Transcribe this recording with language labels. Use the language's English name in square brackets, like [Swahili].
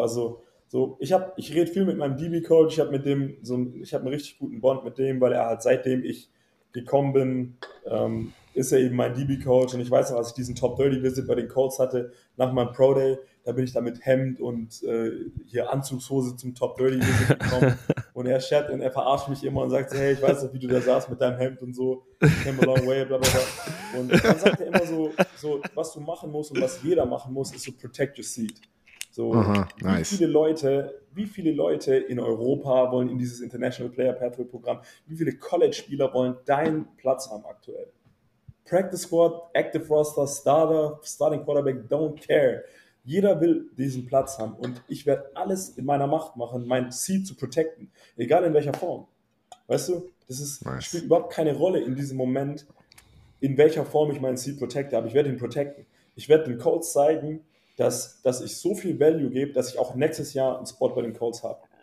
[German] Also so, ich rede viel mit meinem DB-Coach, ich habe einen richtig guten Bond mit dem, weil er halt seitdem ich gekommen bin, ist er eben mein DB-Coach, und ich weiß noch, als ich diesen Top-30-Visit bei den Colts hatte, nach meinem Pro-Day, da bin ich da mit Hemd und hier Anzugshose zum Top-30-Visit gekommen und er chat und er verarscht mich immer und sagt so, hey, ich weiß noch, wie du da saßt mit deinem Hemd und so, [English] came a long way, [German] bla bla bla. Und dann sagt er immer so, was du machen musst und was jeder machen muss, ist so [English] protect your seat. [German] So, wie viele Leute in Europa wollen in dieses International Player Pathway Programm, wie viele College-Spieler wollen deinen Platz haben aktuell? [English] Practice Squad, Active Roster, Starter, Starting Quarterback, don't care. [German] Jeder will diesen Platz haben und ich werde alles in meiner Macht machen, mein Seed zu protecten, egal in welcher Form. Weißt du, spielt überhaupt keine Rolle in diesem Moment, in welcher Form ich meinen Seed protecte, aber ich werde ihn protecten. Ich werde den Colts zeigen, dass ich so viel Value gebe, dass ich auch nächstes Jahr einen Spot bei den Colts habe.